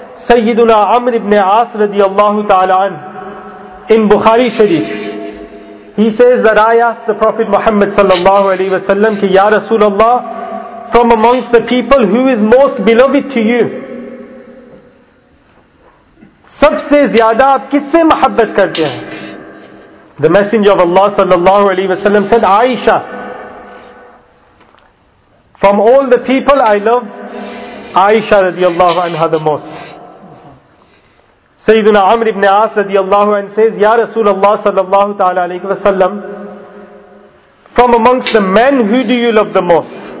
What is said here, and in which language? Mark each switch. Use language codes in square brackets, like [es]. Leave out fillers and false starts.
[en] Sayyiduna Amr ibn As radiallahu ta'ala an, in Bukhari Sharif, he says that I asked the Prophet Muhammad sallallahu alayhi wa sallam, Ya Rasulullah, from amongst the people, who is most beloved to you? [ur] سب سے زیادہ آپ کس سے محبت کرتے ہیں؟ [en] The Messenger of Allah sallallahu alayhi wa sallam said, Aisha. From all the people, I love Aisha radiallahu anha the most. Sayyiduna Amr ibn As radiallahu anhu says, Ya Rasulullah sallallahu ta'ala alayhi wa sallam, from amongst the men, who do you love the most?